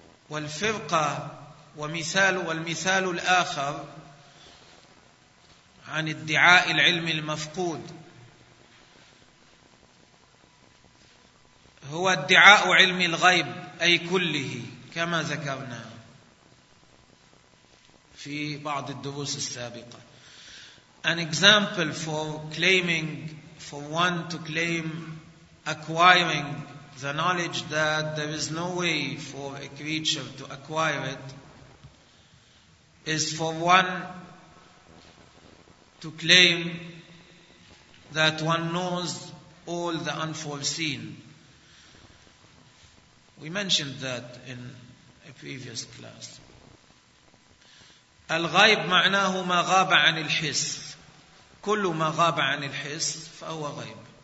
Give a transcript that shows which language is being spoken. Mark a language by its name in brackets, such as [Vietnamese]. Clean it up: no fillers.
[Arabic] والفرقة ومثال والمثال الآخر عن ادعاء العلم المفقود هو ادعاء علم الغيب أي كله كما ذكرنا في بعض الدروس السابقة. [English] An example for claiming, for one to claim acquiring the knowledge that there is no way for a creature to acquire it, is for one to claim that one knows all the unforeseen. We mentioned that in a previous class. [Arabic] الغيب معناه ما غاب عن الحس كل ما غاب عن الحس فهو غيب.